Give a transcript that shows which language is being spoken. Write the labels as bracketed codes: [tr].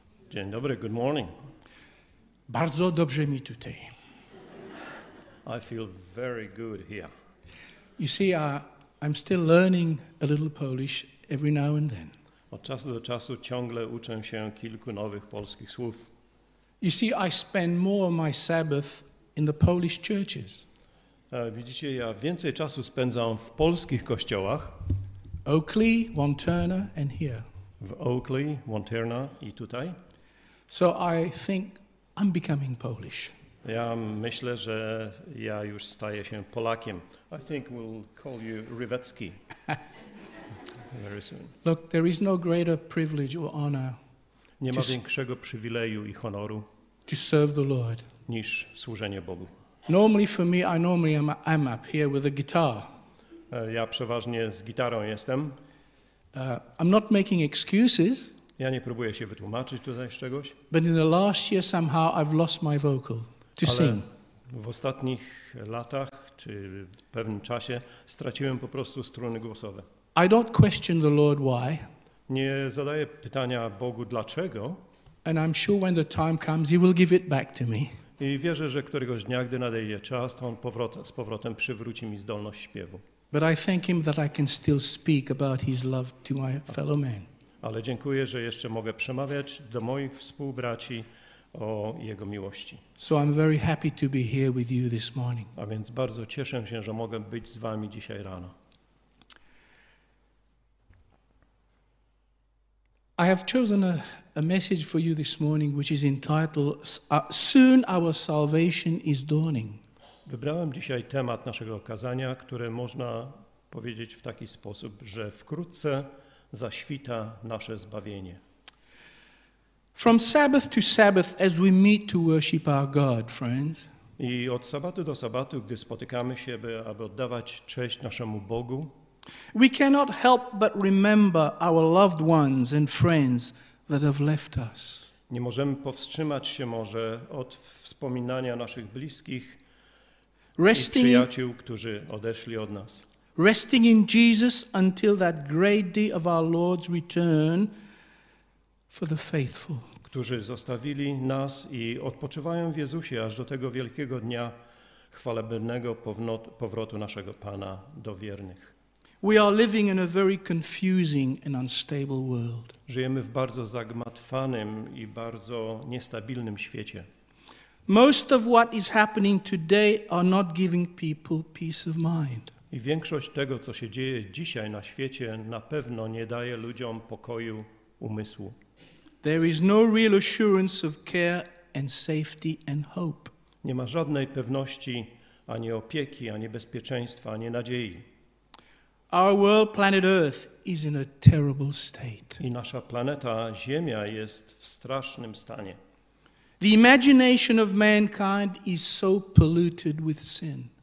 [pl] Dzień dobry, [en] good morning. [pl] Bardzo dobrze mi tutaj. [en] I feel very good here. You see, I'm still learning a little Polish every now and then. [pl] Od czasu do czasu ciągle uczę się kilku nowych polskich słów. [en] You see, I spend more of my Sabbath in the Polish churches. [pl] Widzicie, ja więcej czasu spędzam w polskich kościołach. [en] Oakley, Wantirna and here. [pl] W Oakley, Wantirna i tutaj. [en] So I think I'm becoming Polish. [pl] Ja myślę, że ja już staję się Polakiem. [en] I think we'll call you Rywetski very soon. Look, there is no greater privilege or honor. [pl] Nie ma większego przywileju i honoru. [en] To serve the Lord. [pl] Niż służenie Bogu. [en] Normally for me, I'm up here with a guitar. [pl] Ja przeważnie z gitarą jestem. [en] I'm not making excuses. [pl] Ja nie próbuję się wytłumaczyć tutaj z czegoś. [en] But in the last year somehow I've lost my vocal to [pl] ale [en] sing. [pl] W ostatnich latach czy w pewnym czasie straciłem po prostu struny głosowe. [en] I don't question the Lord why. [pl] Nie zadaję pytania Bogu dlaczego. [en] And I'm sure when the time comes he will give it back to me. [pl] I wierzę, że któregoś dnia, gdy nadejdzie czas, to on z powrotem przywróci mi zdolność śpiewu. [en] But I thank him that I can still speak about his love to my fellow man. [pl] Ale dziękuję, że jeszcze mogę przemawiać do moich współbraci o jego miłości. [en] So I'm very happy to be here with you this morning. [pl] A więc bardzo cieszę się, że mogę być z wami dzisiaj rano. [en] I have chosen a message for you this morning which is entitled Soon Our Salvation is Dawning. [pl] Wybrałem dzisiaj temat naszego kazania, które można powiedzieć w taki sposób, że wkrótce zaświta nasze zbawienie. [en] From Sabbath to Sabbath, as we meet to worship our God, friends. [pl] I od sabatu do sabatu, gdy spotykamy się, aby oddawać cześć naszemu Bogu. [en] We cannot help but remember our loved ones and friends that have left us. [pl] Nie możemy powstrzymać się może od wspominania naszych bliskich. [en] Resting, [pl] i przyjaciół, którzy odeszli od nas. [en] Resting in Jesus until that great day of our Lord's return for the faithful. [pl] Którzy zostawili nas i odpoczywają w Jezusie aż do tego wielkiego dnia chwalebnego powrotu naszego Pana do wiernych. [en] We are living in a very confusing and unstable world. [pl] Żyjemy w bardzo zagmatwanym i bardzo niestabilnym świecie. [en] Most of what is happening today are not giving people peace of mind. [pl] I większość tego, co się dzieje dzisiaj na świecie, na pewno nie daje ludziom pokoju umysłu. [en] There is no real assurance of care and safety and hope. [pl] Nie ma żadnej pewności, ani opieki, ani bezpieczeństwa, ani nadziei. [en] Our world, planet Earth, is in a terrible state. [pl] I nasza planeta Ziemia jest w strasznym stanie. [en] The imagination of mankind is so polluted with sin.